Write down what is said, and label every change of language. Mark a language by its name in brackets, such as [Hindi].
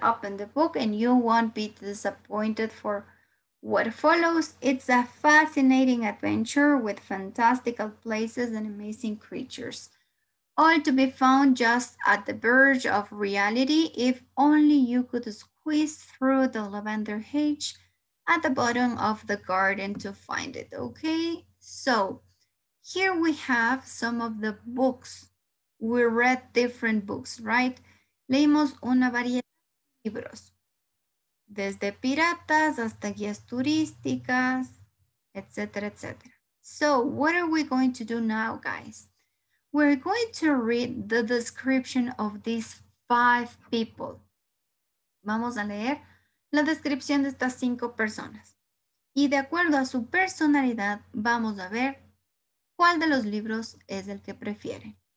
[English] Open the book and you won't be disappointed. For what follows, it's a fascinating adventure with fantastical places and amazing creatures, all to be found just at the verge of reality. If only you could squeeze through the lavender hedge at the bottom of the garden to find it. Okay, so here we have some of the books. We read different books, right? [Spanish] Leímos una variedad de libros, desde piratas hasta guías turísticas, etc., etc. [English] So what are we going to do now, guys? We're going to read the description of these five people. [Spanish] Vamos a leer la descripción de estas cinco personas. Y de acuerdo a su personalidad, vamos a ver cuál de los libros es el que prefiere.